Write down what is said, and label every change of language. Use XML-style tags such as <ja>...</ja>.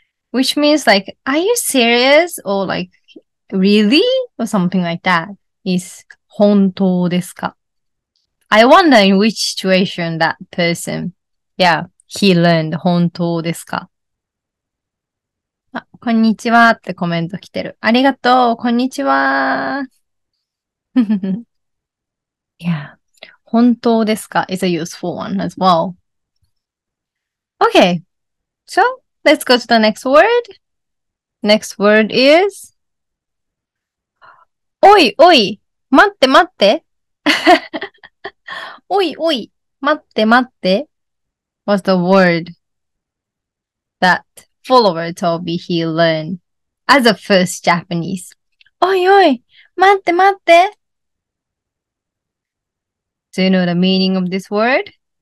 <en>Which means like, are you serious? Or like, really? Or something like that.</en> <ja>Is 本当ですか?</ja> <en>I wonder in which situation that person, yeah, he learned</en> <ja>本当ですか? あ、こんにちはってコメント来てる。ありがとう、こんにちは。</ja> <en>Yeah.</en> <ja>本当ですか?</ja> <en>It's a useful one as well. Okay, so let's go to the next word. Next word is...</en> <ja>おいおい、待って待って。おいおい、待って待って。</ja> <en>What's the word that follower told me he learned as a first Japanese?</en> <ja>Oi oi, 待って待って。</ja> <en>Do you know the meaning of this word?</en>